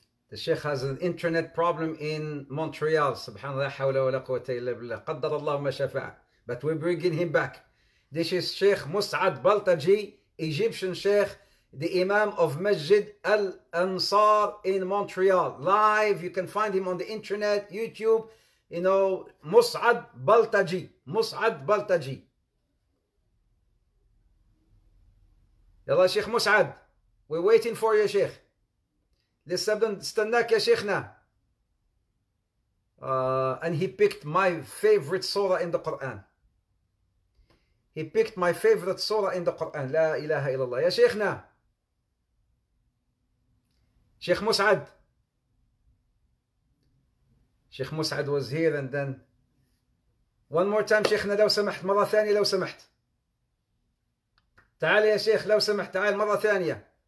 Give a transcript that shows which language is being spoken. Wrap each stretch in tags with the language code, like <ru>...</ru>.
<en>The Sheikh has an internet problem in Montreal.</en> <ar>سبحان الله، لا حول ولا قوة إلا بالله، قدر الله ما شاء فعل.</ar> <en>But we're bringing him back. This is Sheikh Mus'ad Baltaji, Egyptian Sheikh, the Imam of Masjid Al-Ansar in Montreal. Live, you can find him on the internet, YouTube, you know, Mus'ad Baltaji.</en> <ar>يلا شيخ مسعد،</ar> <en>we're waiting for you</en> <ar>يا شيخ، لسه بدنا نستناك يا شيخنا.</ar> <en>And he picked my favorite surah in the Quran. He picked my favorite surah in the Quran.</en> <ar>La ilaha illallah.</ar> <en>Ya Sheikhna. Sheikh Mus'ad. Sheikh Mus'ad was here and then. One more time, Sheikhna,</en> <ar>لو سمحت. مرة ثانية لو سمحت. تعال يا شيخ لو سمحت تعال مرة ثانية.</ar>